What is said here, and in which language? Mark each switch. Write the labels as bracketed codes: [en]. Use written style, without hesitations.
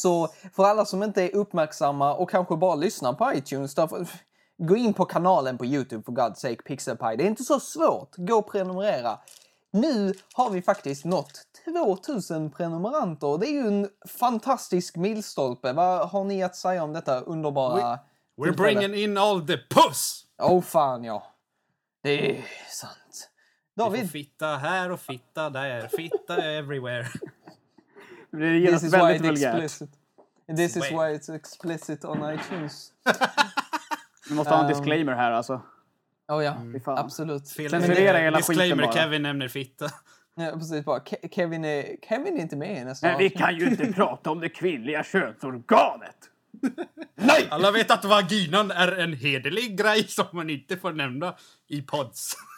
[sv] Så för alla som inte är uppmärksamma och kanske bara lyssnar på iTunes, därför, gå in på kanalen på YouTube [en] for God's sake, [sv] Pixelpie. Det är inte så svårt. Gå och prenumerera. Nu har vi faktiskt nått 2000 prenumeranter. Det är ju en fantastisk milstolpe. Vad har ni att säga om detta underbara... [en] We're bringing in all the puss! [sv] Oh fan, ja. Det är sant. David. Vi får fitta här och fitta där. Fitta everywhere. Det är ju väldigt vulgärt. [en] Explicit. This is why it's explicit on iTunes. [sv] Vi måste ha en disclaimer här, alltså. Ja, oh, ja. Absolut. Censurera hela disclaimer, Kevin nämner fitta. Ja, precis. Bara. Kevin är inte med nästan. Men vi kan ju inte prata om det kvinnliga könsorganet. Nej! Alla vet att vaginan är en hederlig grej som man inte får nämna i pods.